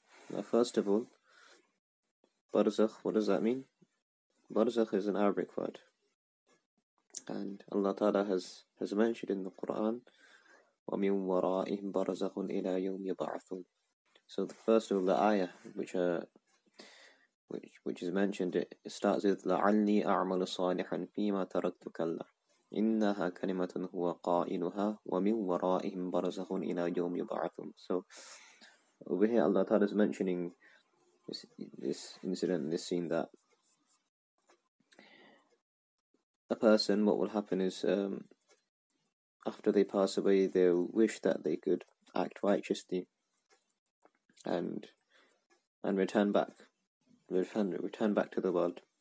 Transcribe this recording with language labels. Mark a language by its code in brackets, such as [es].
[en] Now first of all, barzakh, what does that mean? Barzakh is an Arabic word. And Allah Ta'ala has mentioned in the Quran, [ar] وَمِن وَرَائِهِمْ بَرْزَخٌ إِلَىٰ يَوْمْ يَبَعَثُونَ. [en] So the first of all, the ayah which is mentioned, it starts with [ar] لعلني أعمل صالحا فيما تركت كلا إنها كلمة هو قائلها ومن ورائهم برزخ إلى يوم يبعثون. [en] So over here Allah Ta'ala is mentioning this incident, this scene, that a person, what will happen is after they pass away, they'll wish that they could act righteously and return back to the world.